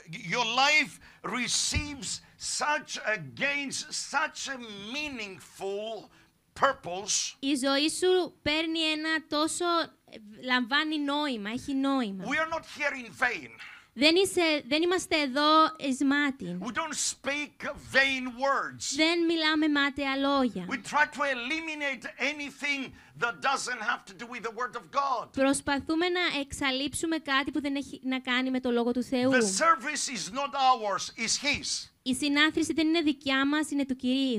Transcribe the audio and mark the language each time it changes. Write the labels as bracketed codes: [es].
[en] Your life receives such a gain, such a meaningful purpose. [el] Η ζωή σου παίρνει ένα τόσο λαμβάνει νόημα, έχει νόημα. [en] We are not here in vain. [el] Δεν είμαστε εδώ εις μάτιν. [en] We don't speak vain words. [el] Δεν μιλάμε μάταια λόγια. [en] We try to eliminate anything that doesn't have to do with the word of God. [el] Προσπαθούμε να εξαλείψουμε κάτι που δεν έχει να κάνει με το λόγο του Θεού. [en] The service is not ours, it's his. [el] Η συνάθρηση δεν είναι δικιά μας, είναι του Κυρίου.